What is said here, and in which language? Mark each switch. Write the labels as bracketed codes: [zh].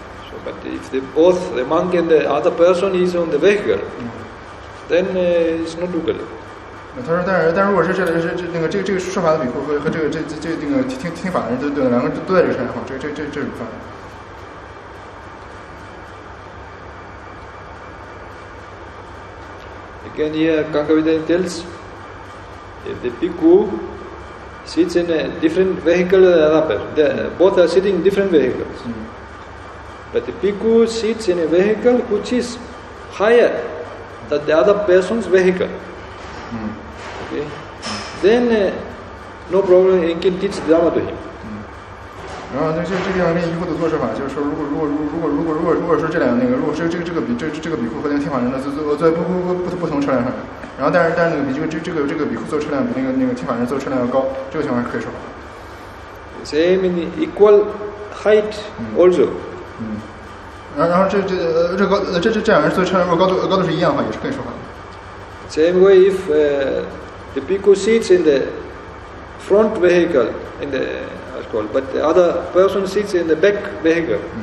[en] So, but if the both the monk and the other person is on the vehicle, then it's not legal. [zh] 他说但是如果是这个说法的比丘和这个听法的人都两个人都在这车上的话，这是犯的。 [en] Again, here Kankavidaya tells if the bhikkhu sits in a different vehicle than the other, both are sitting in different vehicles. But the bhikkhu sits in a vehicle which is higher than the other person's vehicle. Okay? Then, no problem, he can teach the Dhamma to him. [zh] 然后这地方跟疑惑的做事法，就是说如果说这两个那个，如果是这个比库和那个听法人的坐不同车辆上，然后但是那个比这个比库坐车辆比那个听法人坐车辆要高，这个情况是可以说。 [en] Same in equal height also。 [zh] 然后这两个人坐车辆如果高度是一样的话，也是可以说话。 [en] Same way if the Bhikkhu sits in the front vehicle in the but the other person sits in the back vehicle.